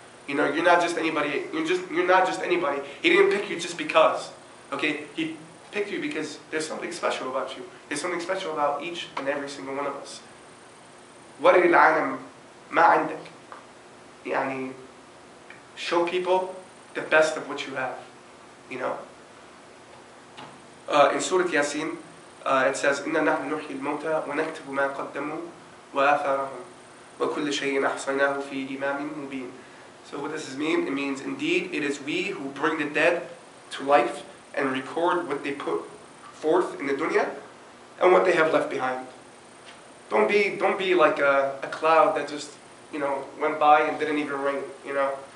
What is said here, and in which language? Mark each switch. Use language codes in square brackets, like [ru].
[en] You know, you're not just anybody. You're not just anybody. He didn't pick you just because. Okay? He picked you because there's something special about you. There's something special about each and every single one of us. [ar] وَرِي الْعَالَمْ مَا عندك. [en] يعني, show people the best of what you have, you know. In Surah Yasin, it says, [ar] إِنَّا نَحْنُ نُحْيِي الْمَوْتَى وَنَكْتُبُ مَا قَدَّمُوا وَآثَارَهُمْ وَكُلَّ شَيْءٍ أَحْصَيْنَاهُ فِي إِمَامٍ مُبِينٍ. [en] So what does this mean? It means, indeed, it is we who bring the dead to life and record what they put forth in the dunya and what they have left behind. Don't be like a cloud that just, you know, went by and didn't even rain, you know.